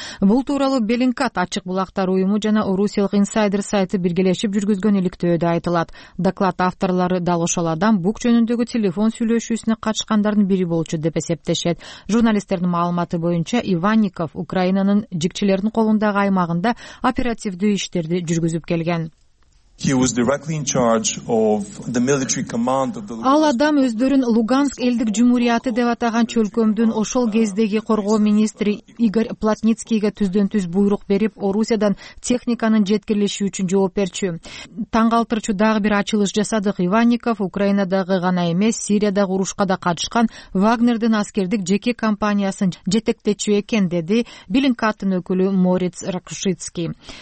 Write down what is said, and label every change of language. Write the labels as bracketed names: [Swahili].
[Kyrgyz] Бул тууралуу Белинкат ачык булактар уюму жана Орусиялык инсайдер сайты биргелешип жүргүзгөн иликтөөдө айтылат. Доклад авторлору дал ошол адам Бук жөнүндөгү телефон сүйлөшүүсүнө катышкандардын бири болчу деп эсептешет. Журналисттердин маалыматы боюнча Иванников Украинанын жикчилердин колундагы аймагында оперативдүү иштерди жүргүзүп келген. [English] He was directly in charge of the military command of the Luhansk. [Kyrgyz] Ал адам өздөрүн Луганск элдик жумурияты деп атаган чөлкөмдүн ошол кездеги коргоо министри Игорь Плотницкийге түздөн-түз буйрук берип, Орусиядан техниканын жеткирилиши үчүн жооп берчү. Таң калтырчу дагы бир ачылыш жасадык. Иванников Украинадагы гана эмес, Сириядагы урушка да катышкан Вагнердин аскердик жеке компаниясын жетектечүү экен, деди Белинкаттын өкүлү Мориц Ракшицкий.